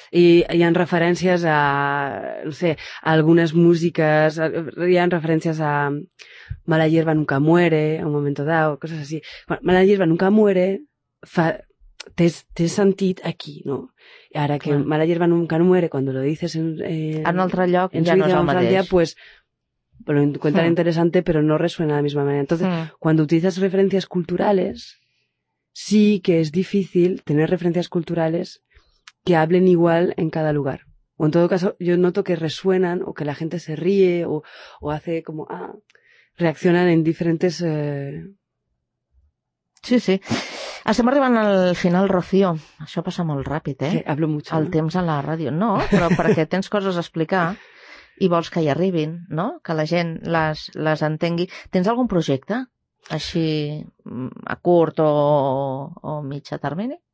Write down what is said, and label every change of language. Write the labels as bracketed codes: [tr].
[ca] I hi ha referències a, no sé, a algunes músiques, hi ha referències a Mala hierba nunca muere, a un momento dado, coses així. Bueno, Mala hierba nunca muere té sentit aquí, no? Ara que Mala hierba nunca muere, quan [es] lo dices [ca] en un altre lloc, en ja no és el mateix. Dia, [es] pues, lo encuentran interesante, pero no resuena de la misma manera. Entonces, cuando utilizas referencias culturales, sí que es difícil tener referencias culturales que hablen igual en cada lugar. O en todo caso, yo noto que resuenan o que la gente se ríe o hace como, reaccionan en diferentes... [ca] Sí, sí. Estem arribant al final, Rocío. Això passa molt ràpid, eh? [es] Sí, hablo mucho. [ca] El temps a la ràdio. No, però perquè tens coses a explicar i vols que hi arribin, no? Que la gent les entengui. Tens algun projecte així a curt o mig a termini?